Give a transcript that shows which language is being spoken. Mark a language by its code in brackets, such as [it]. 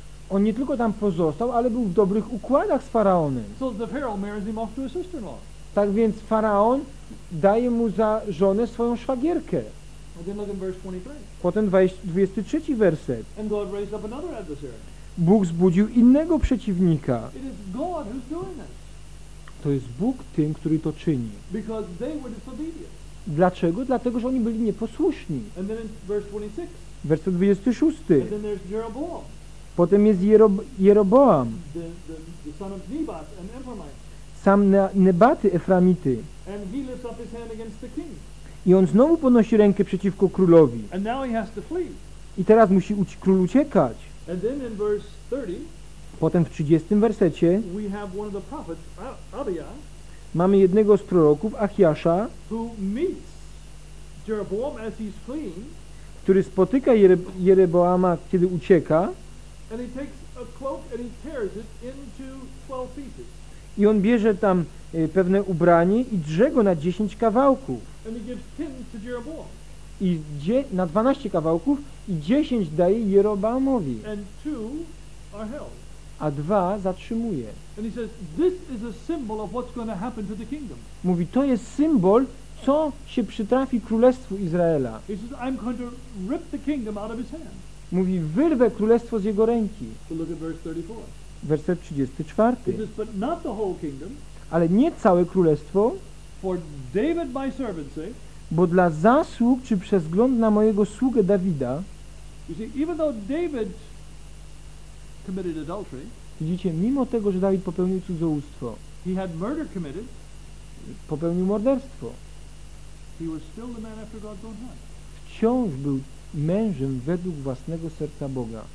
[pl] On nie tylko tam pozostał, ale był w dobrych układach z faraonem. [en] So the Pharaoh marries him off to his sister-in-law. [pl] Tak więc faraon daje mu za żonę swoją szwagierkę. [en] And then look in verse 23. [pl] Potem 23 werset. [en] And God raised up another adversary. [pl] Bóg zbudził innego przeciwnika. [en] It is God who's doing it. [pl] To jest Bóg tym, który to czyni. [en] Because they were disobedient. [pl] Dlaczego? Dlatego, że oni byli nieposłuszni. [en] And then in verse 26. [pl] Werset 26. [en] And then there's Jeroboam. [pl] Potem jest Jeroboam. [en] The son of Nebat and Ephraimite. [pl] Sam Nebaty, Efraimity. [en] And he lifts up his hand against the king. [pl] I on znowu podnosi rękę przeciwko królowi. [en] And now he has to flee. [pl] I teraz musi król uciekać. [en] And then in verse 30. [pl] Potem w 30 wersecie [en] we have one of the prophets, Abia, [pl] mamy jednego z proroków, Achiasza, [en] who meets Jeroboam as he's fleeing, [pl] który spotyka Jeroboama, kiedy ucieka, [en] and he takes a cloak and he tears it into 12 pieces. [pl] I on bierze tam pewne ubranie i drze go na 10 kawałków. [en] And he gives 10 to Jeroboam. [pl] I na 12 kawałków i 10 daje Jeroboamowi. [en] And 2 are held. [pl] A dwa zatrzymuje. [en] And he says, this is a symbol of what's going to happen to the kingdom. [pl] Mówi, to jest symbol, co się przytrafi królestwu Izraela. [en] He says, I'm going to rip the kingdom out of his hand. [pl] Mówi, wyrwę królestwo z jego ręki. [en] So look at verse 34. [pl] Werset 34. [en] He says, but not the whole kingdom. [pl] Ale nie całe królestwo. [en] For David my servant says, [pl] bo dla zasług czy przez wzgląd na mojego sługę Dawida. [en] You see, even though David committed adultery. [pl] Widzicie, mimo tego, że Dawid popełnił cudzołóstwo, [en] he had murder committed, [pl] popełnił morderstwo, [en] he was still the man after God's own heart. [pl] Wciąż był mężem według własnego serca Boga.